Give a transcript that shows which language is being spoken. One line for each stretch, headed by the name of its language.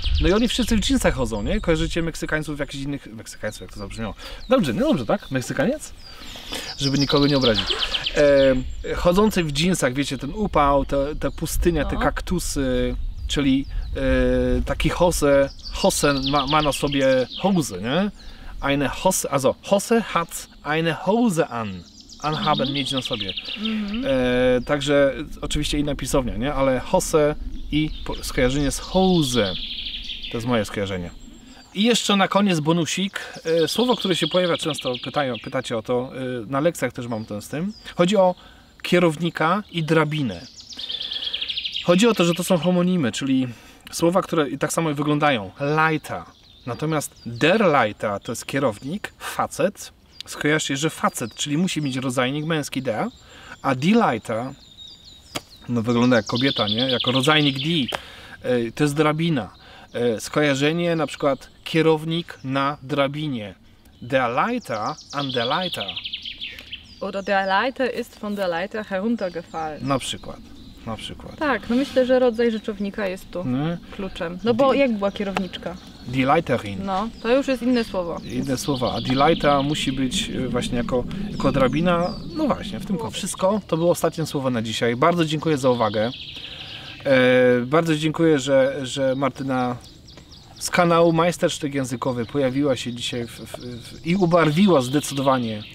Polish: No i oni wszyscy w jeansach chodzą, nie? Kojarzycie Meksykańców, jakichś innych... Meksykańców, jak to zabrzmiało. Dobrze, nie, dobrze, tak? Meksykaniec? Żeby nikogo nie obrazić. Chodzący w jeansach, wiecie, ten upał, ta pustynia, no. Te kaktusy, czyli taki Jose ma na sobie Hose, nie?
German: Eine Hose, also Jose hat eine Hose an.
Polish: Anhaben, mieć na sobie. Mm-hmm. Także oczywiście inna pisownia, nie? Ale Hose i skojarzenie z Hose. To jest moje skojarzenie. I jeszcze na koniec bonusik. Słowo, które się pojawia często, pytacie o to, na lekcjach też mam to z tym. Chodzi o kierownika i drabinę. Chodzi o to, że to są homonimy, czyli słowa, które tak samo wyglądają. Leiter. Natomiast der Leiter to jest kierownik, facet. Skojarz się, że facet, czyli musi mieć rodzajnik męski, der, a die Leiter, no wygląda jak kobieta, nie? Jako rodzajnik die, to jest drabina. Skojarzenie, na przykład kierownik na drabinie.
German: Der Leiter an der Leiter. Oder der Leiter ist von der Leiter heruntergefallen.
Polish: Na przykład. Tak, no myślę, że rodzaj rzeczownika jest tu kluczem. No bo jak była kierowniczka?
German: Die Leiterin.
Polish: No, to już jest inne słowo. Inne słowa. A die Leiter musi być właśnie jako drabina. No właśnie, w tym koło. Wszystko. To było ostatnie słowo na dzisiaj. Bardzo dziękuję za uwagę. Bardzo dziękuję, że Martyna z kanału Majstersztyk Językowy pojawiła się dzisiaj i ubarwiła zdecydowanie.